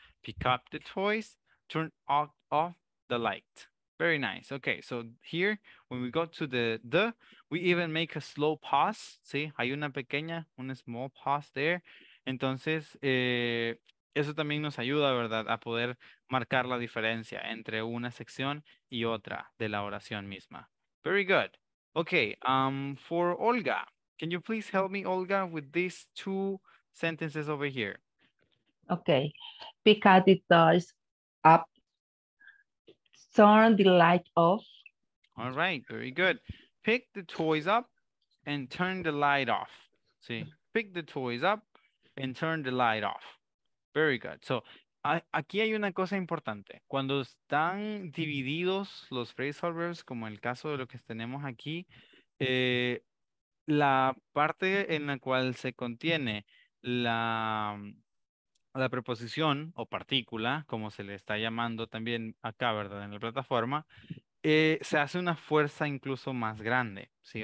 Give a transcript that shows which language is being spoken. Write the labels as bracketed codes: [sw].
[en] Pick up the toys, turn off the light. Very nice. Okay, so here, when we go to the, we even make a slow pause. [es] ¿Sí? Hay una pequeña, una [en] small pause there. [es] Entonces, eso también nos ayuda, ¿verdad?, a poder marcar la diferencia entre una sección y otra de la oración misma. [en] Very good. Okay, for Olga, can you please help me, Olga, with these two sentences over here? Okay. Pick up the toys up. Turn the light off. All right, very good. Pick the toys up and turn the light off. Sí, pick the toys up and turn the light off. Very good. So, [es] aquí hay una cosa importante. Cuando están divididos los phrasal verbs, como el caso de lo que tenemos aquí, la parte en la cual se contiene la preposición o partícula, como se le está llamando también acá, ¿verdad?, en la plataforma, se hace una fuerza incluso más grande, ¿sí?